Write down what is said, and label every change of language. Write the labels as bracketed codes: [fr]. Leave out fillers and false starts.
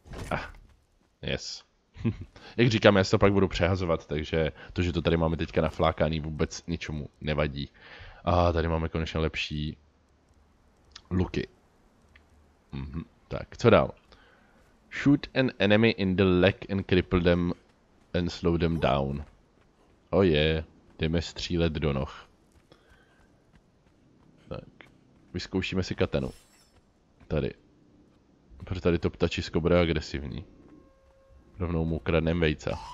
[cs] Ah, yes. Jak říkám, já si to pak budu přehazovat, takže to, že to tady máme teďka naflákaný, vůbec ničemu nevadí. A tady máme konečně lepší luky. Mhm, tak, co dál? [en] Shoot an enemy in the leg and cripple them and slow them down. [cs] Oh yeah, jdeme střílet do noh. Tak, vyzkoušíme si katanu. Tady. Protože tady to ptačisko bude agresivní. Rovnou mu kradnem vejce.